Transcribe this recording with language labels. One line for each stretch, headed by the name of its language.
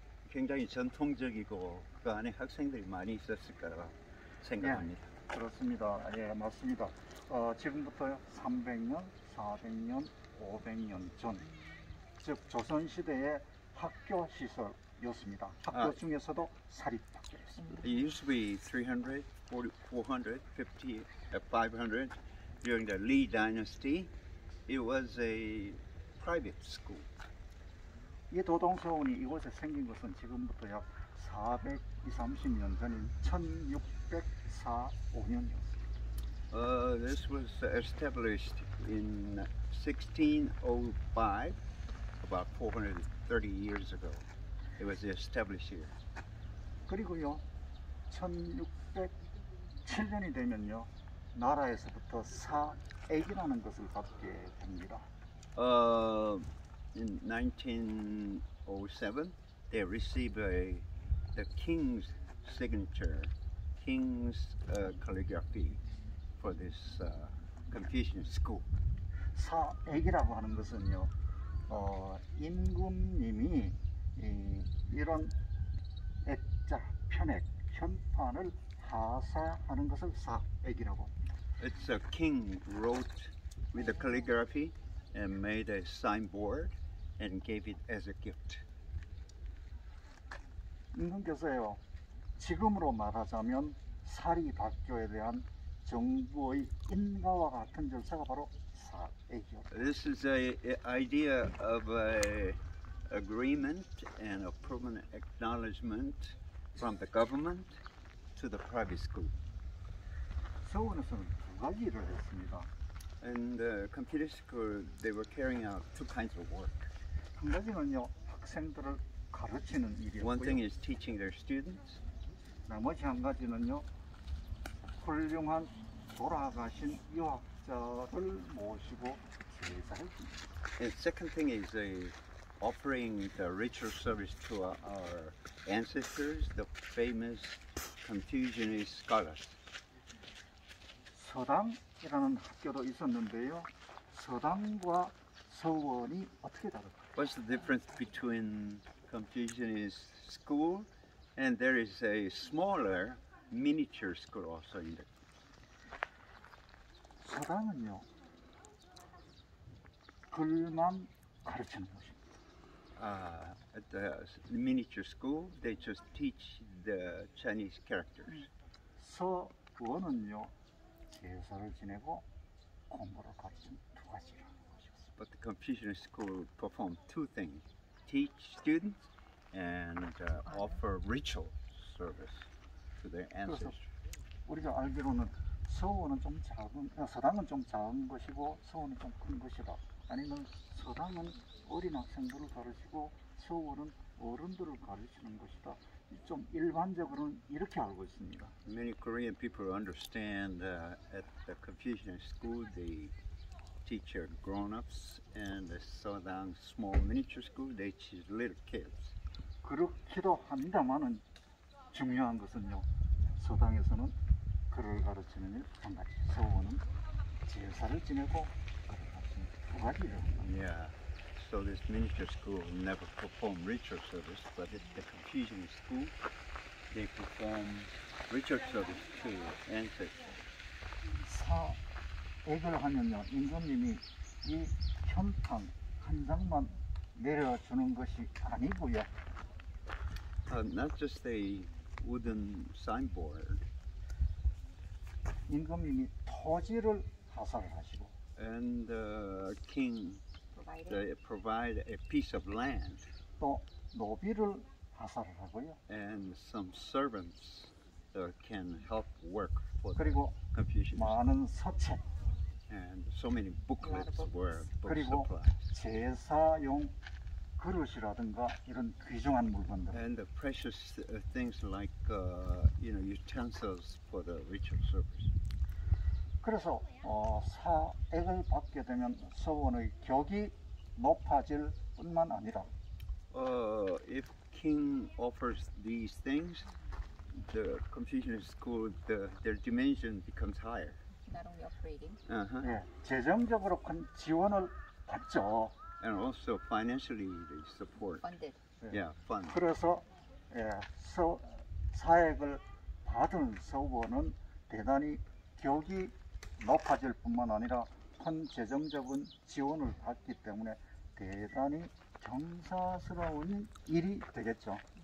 Korean: 굉장히 전통적이고 그 안에 학생들이 많이 있었을 거라고 생각합니다. 예, 그렇습니다. 예, 맞습니다. 지금부터 300년, 400년, 500년 전, 즉 조선시대의 학교 시설이었습니다. 학교 중에서도 사립학교였습니다.
English: It used to be 300, 400, 450, 500 during the Li Dynasty. It was a private school.
Korean: 이 도동서원이 이곳에 생긴 것은 지금부터 약 430년 전인 1604년이었습니다.
English: This was established in 1605, about 430 years ago. It was established here.
Korean: 그리고요, 1607년이 되면요, 나라에서부터 사액이라는 것을 받게 됩니다.
English: In 1907, they received the king's signature, king's calligraphy for this Confucian school.
Korean: 사액이라고 하는 것은요, 임금님이 이런 액자, 편액, 현판을 하사하는 것을 사액이라고 합니다.
English: It's a king wrote with a calligraphy and made a signboard and gave it as a gift.
Korean: 임금께서요, 지금으로 말하자면 사립학교에 대한 정부의 인가와 같은 절차가 바로 사액이요.
English: This is a idea of a agreement and a permanent acknowledgement from the government to the private school.
Korean: 서원에서는 두 가지 일을 했습니다.
English: In the computer school, they were carrying out two kinds of work.
Korean: 한 가지는요, 학생들을 가르치는 일이었고요.
English: One thing is teaching their students.
Korean: 나머지 한 가지는요, 훌륭한 돌아가신 유학자를 모시고 제사를 드립니다.
English: The second thing is offering the ritual service to our ancestors, the famous Confucianist scholars.
Korean: 서당이라는 학교도 있었는데요. 서당과 서원이 어떻게 다를까요?
English: What's the difference between Confucianist school and there is a smaller miniature school also in there?
Korean: 서당은요, 글만 가르치는 곳입니다.
English: At the miniature school, they just teach the Chinese characters.
Korean: 서원은요, 제사를 지내고 공부를 가르친 두 가지라는 것이었습니다.
English: But the Confucian school performed two things: teach students and offer ritual service to their ancestors.
Korean: 우리가 알기로는 서원은 좀 작은, 서당은 좀 작은 것이고 서원은 좀 큰 것이다. 아니면 서당은 어린 학생들을 가르치고 서원은 어른들을 가르치는 것이다. 좀 일반적으로는 이렇게 알고 있습니다.
English: Many Korean people understand at the Confucian school they teach grown-ups and the Sodang small miniature school they teach little kids.
Korean: 그렇기도 합니다만은 중요한 것은요, 서당에서는 글을 가르치는 일 한 가지, 서원은 제사를 지내고 글을 가르치는 두 가지를 합니다.
English: Yeah. So this miniature school never performed ritual service, but it's the Confucian school. They perform ritual service to ancestors.
Korean: 사액을 하면요, 임금님이 이 현판 한 장만 내려주는 것이 아니고요.
English: Not just a wooden signboard.
Korean: 임금님이 토지를 하사를 하시고.
English: And the king. They provide a piece of land.
Korean: 또 노비를 하사를 하고요.
English: And some servants can help work for the Confucius.
Korean: 그리고 많은 서책.
English: And so many booklets were supplied.
Korean: 그리고 제사용 그릇이라든가 이런 귀중한 물건들.
English: And the precious things like you know utensils for the ritual service.
Korean: 그래서 사액을 받게 되면 서원의 격이 높아질 뿐만 아니라
English: if king offers these things the Confucian school their dimension becomes higher. Uh-huh.
Korean: 예, 재정적으로 큰 지원을 받죠.
English: And also financially they support. Funded. Yeah, funded.
Korean: 그래서 예, 사액을 받은 서원은 대단히 격이 높아질 뿐만 아니라 큰 재정적인 지원을 받기 때문에 대단히 경사스러운 일이 되겠죠.